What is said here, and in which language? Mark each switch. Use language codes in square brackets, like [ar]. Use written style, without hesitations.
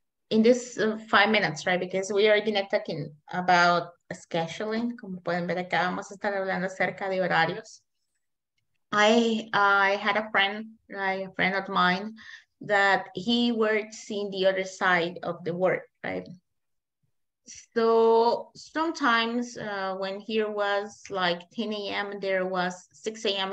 [en] In this 5 minutes, right? Because we are already talking about scheduling. [es] Como pueden ver acá, vamos a estar hablando acerca de horarios. [en] I had a friend, right, a friend of mine, that he works in the other side of the world, right? So sometimes when here was like 10 a.m., there was 6 a.m.